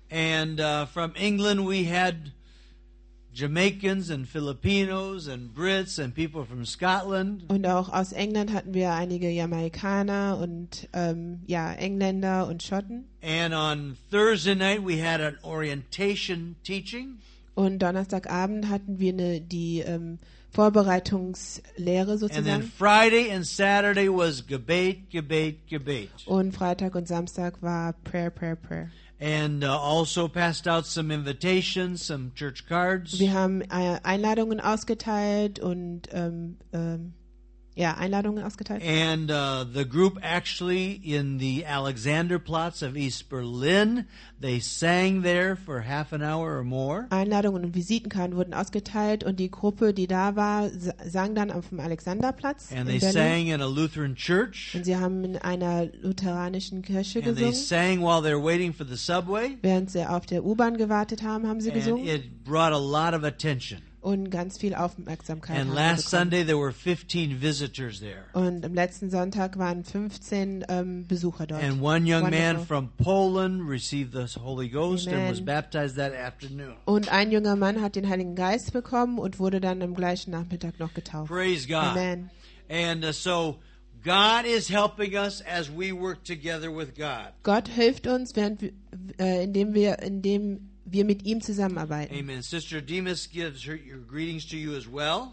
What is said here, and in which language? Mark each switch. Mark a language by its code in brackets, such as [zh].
[en] And from England we had Jamaicans and Filipinos and Brits and people from Scotland. [de] Und auch aus England hatten wir einige Jamaikaner und Engländer und Schotten. [en] And on Thursday night we had an orientation teaching. [de] Und Donnerstagabend hatten wir die Vorbereitungslehre sozusagen. [en] And then Friday and Saturday was Gebet. [de] Und Freitag und Samstag war Prayer. [en] And also passed out some invitations, some church cards. [de] Wir haben Einladungen ausgeteilt und Einladungen ausgeteilt. [en] And the group actually in the Alexanderplatz of East Berlin, they sang there for half an hour or more. [de] Einladungen und Visitenkarten wurden ausgeteilt und die Gruppe, die da war, sang dann auf dem Alexanderplatz. [en] And they sang in a Lutheran church. [de] Und sie haben in einer lutheranischen Kirche gesungen. [en] And they sang while they're waiting for the subway. [de] Während sie auf der U-Bahn gewartet haben, haben sie gesungen. [en] And it brought a lot of attention. [de] Und ganz viel Aufmerksamkeit. [en] And last Sunday there were 15 visitors there. [de] Und am letzten Sonntag waren 15 Besucher dort. [en] And one young man from Poland received the Holy Ghost and was baptized that afternoon. [de] Und ein junger Mann hat den Heiligen Geist bekommen und wurde dann am gleichen Nachmittag noch getauft. [en] Praise God. Amen. And so God is helping us as we work together with God. [de] Gott hilft uns, indem wir mit ihm zusammenarbeiten. [en] Amen. Sister Demas gives her your greetings to you as well.